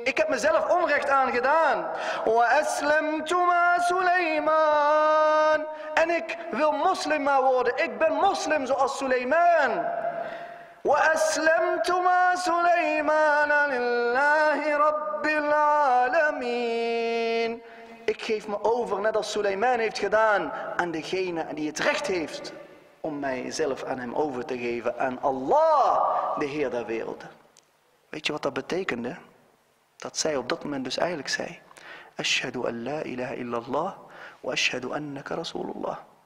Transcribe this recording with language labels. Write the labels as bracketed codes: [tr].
[nl] Ik heb mezelf onrecht aangedaan. [ar] وأسلمت مع سليمان. [nl] En ik wil moslim maar worden. Ik ben moslim zoals Suleiman. [ar] وأسلمت مع سليمان لله رب العالمين. [nl] Ik geef me over, net als Suleiman heeft gedaan, aan degene die het recht heeft om mijzelf aan hem over te geven, aan Allah, de Heer der werelden. Weet je wat dat betekende? Dat zij op dat moment dus eigenlijk zei, [ar] Ashhadu an la ilaha illallah, wa ashhadu annaka rasulullah.